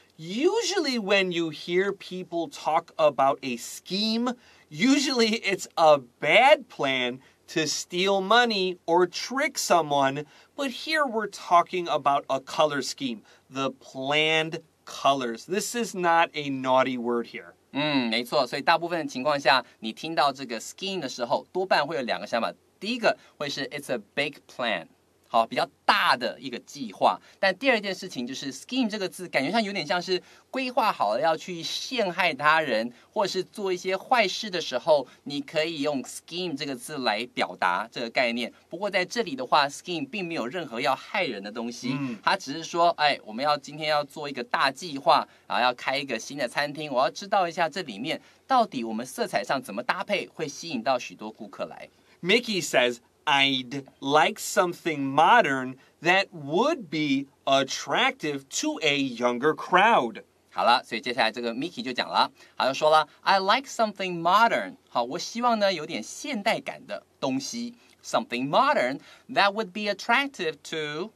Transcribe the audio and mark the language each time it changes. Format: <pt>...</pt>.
<en>Usually when you hear people talk about a scheme, usually it's a bad plan to steal money or trick someone. But here we're talking about a color scheme, the planned colors. This is not a naughty word here.</en> <zh>没错，所以大部分的情况下，你听到这个 scheme 的时候，多半会有两个想法。第一个会是</zh> <en>it's a big plan，</en> <zh>好，比较大的一个计划。但第二件事情就是 scheme 这个字，感觉上有点像是规划好了要去陷害他人，或者是做一些坏事的时候，你可以用 scheme 这个字来表达这个概念。不过在这里的话 ，scheme 并没有任何要害人的东西，它只是说，哎，我们要今天要做一个大计划，然后要开一个新的餐厅，我要知道一下这里面到底我们色彩上怎么搭配会吸引到许多顾客来。</zh> <en>Mickey says. I'd like something modern that would be attractive to a younger crowd.</en> <zh>好了，所以接下来这个 Mickey 就讲了，好像说了 ，</zh> <en>I like something modern.</en> <zh>好，我希望呢有点现代感的东西 ，</zh> <en>something modern that would be attractive to.</en>